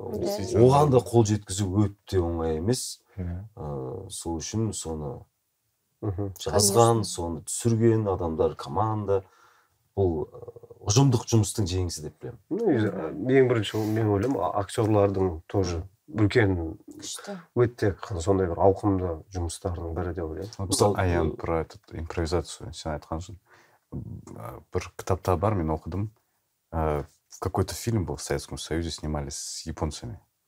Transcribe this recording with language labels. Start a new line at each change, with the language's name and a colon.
Kazakh: Оған да қол жеткізу өте оңай емес. Сол үшін соны жазған, соны түсірген адамдар, команда. Бұл ұжымдық жұмыстың жеңісі деп білемін. Ең бірінші мен ойлаймын, актерлардың тоже үлкен өте сондай бір ауқымды жұмыстардың бірі деп ойлаймын. Мысалы, Аян,
Russian: про этот импровизацию
Kazakh: сен айтқансың. Бір кітапта бар, мен оқыдым.
Russian: Какой-то фильм был в Советском Союзе, снимались с японцами.